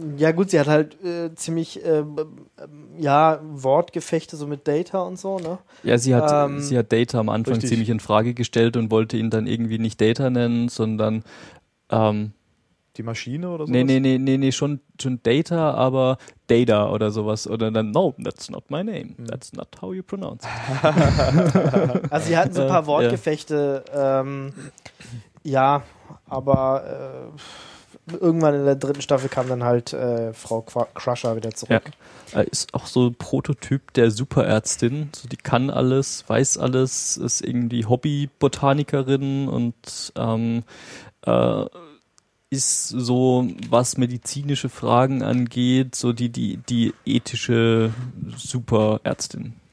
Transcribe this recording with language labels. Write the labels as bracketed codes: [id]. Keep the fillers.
[de] Ja, gut, sie hat halt äh, ziemlich äh, b- ähm, ja, Wortgefechte so mit Data und so, ne? so. Ja, sie hat, Ähm, sie hat Data am Anfang richtig. ziemlich in Frage gestellt und wollte ihn dann irgendwie nicht Data nennen, sondern ähm, die Maschine oder so. nee, nee, nee, nee, nee, schon, schon Data, aber Data oder sowas. Oder dann, [en] no, that's not my name. That's not how you pronounce it. [de] Also sie hatten so ein Ja. paar Wortgefechte, ähm, ja, aber äh, irgendwann in der dritten Staffel kam dann halt äh, Frau Qua Crusher wieder zurück. Äh, Ist auch so ein Prototyp der Superärztin. So, die kann alles, weiß alles, ist irgendwie Hobbybotanikerin und ähm, äh, ist so, was medizinische Fragen angeht, so die, die, die ethische Superärztin.